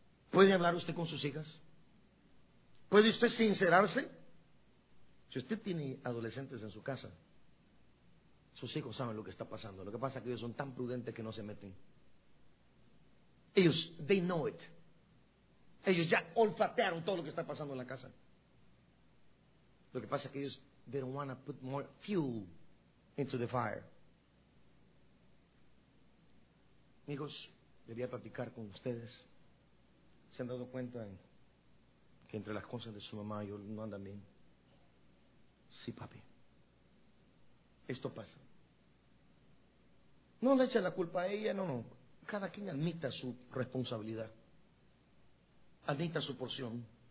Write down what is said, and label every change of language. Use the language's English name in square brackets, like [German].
[Spanish] ¿Puede hablar usted con sus hijas? ¿Puede usted sincerarse? Si usted tiene adolescentes en su casa, sus hijos saben lo que está pasando. Lo que pasa es que ellos son tan prudentes que no se meten. Ellos, [English] they know it. [Spanish] Ellos ya olfatearon todo lo que está pasando en la casa. Lo que pasa es que ellos, [English] they don't want to put more fuel into the fire. [Spanish] Amigos, debía platicar con ustedes. ¿Se han dado cuenta que entre las cosas de su mamá y yo no andan bien? Sí, papi. Esto pasa. No le echa la culpa a ella, no. Cada quien admita su responsabilidad. Admita su porción.